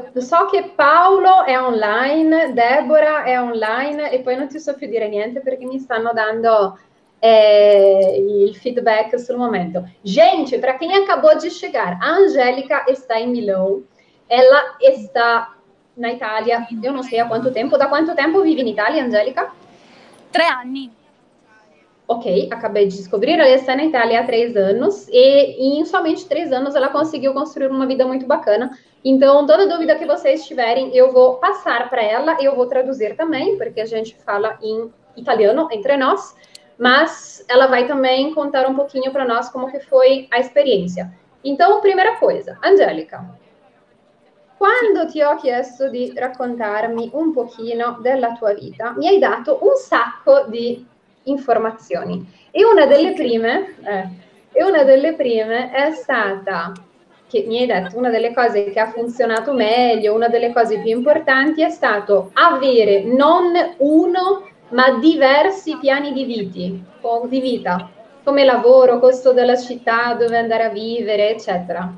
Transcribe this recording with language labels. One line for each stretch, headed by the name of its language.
Italian: So che Paolo è online, Deborah è online e poi non ti so più dire niente perché mi stanno dando il feedback sul momento. Gente, per chi acabou di arrivare, Angelica sta in Milão, ella sta in Italia. Io non so a quanto tempo, da quanto tempo vivi in Italia, Angelica? 3 anni.
Portuguese: Ok, acabei de descobrir, ela está na Itália há 3 anos e em somente 3 anos ela conseguiu construir uma vida muito bacana. Então, toda dúvida que vocês tiverem, eu vou passar para ela e eu vou traduzir também, porque a gente fala em italiano entre nós, mas ela vai também contar um pouquinho para nós como que foi a experiência. Então, primeira coisa,
Italian: Angélica, quando ti ho chiesto di raccontarmi un pochino della tua vita, mi hai dato un sacco di informazioni. E una delle Ok. prime, una delle prime è stata che mi hai detto una delle cose che ha funzionato meglio, una delle cose più importanti è stato avere non uno ma diversi piani di viti, di vita, come lavoro, costo della città, dove andare a vivere, eccetera.